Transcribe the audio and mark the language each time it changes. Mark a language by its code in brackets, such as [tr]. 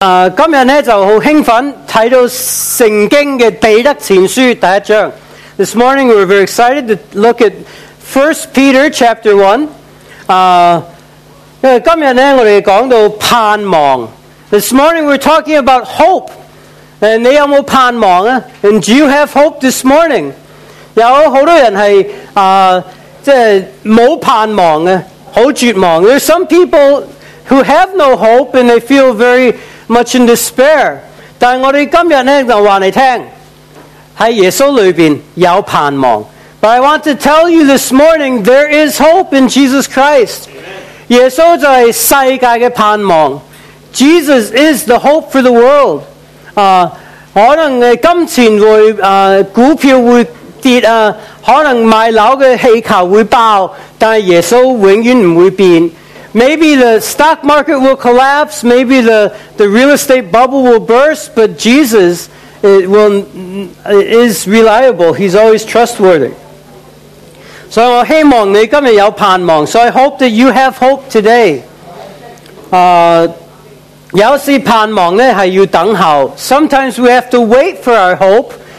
[zh] 今天就很兴奋看到圣经的彼得前书第一章。 [en] This morning we're very excited to look at 1 Peter chapter 1. [zh] 因为今天我们讲到盼望。 [en] This morning we're talking about hope. [zh] 你有没有盼望啊？ [en] And do you have hope this morning? [zh] 有很多人是没有盼望啊，很绝望。 [en] There's some people who have no hope and they feel very much in despair. [zh] 但我们今天就告诉你，在耶稣里面有盼望。 [en] But I want to tell you this morning, there is hope in Jesus Christ. [zh] 耶稣就是世界的盼望。 [en] Jesus is the hope for the world. [zh] 可能金钱会股票会跌啊，可能买楼的气球会爆，但耶稣永远不会变。 [en] Maybe the stock market will collapse, maybe the real estate bubble will burst, but Jesus is reliable. He's always trustworthy. [zh] So 我希望你今天有盼望。 [en] So I hope that you have hope today. [zh] 有时盼望呢是要等候。 [en] Sometimes we have to wait for our hope.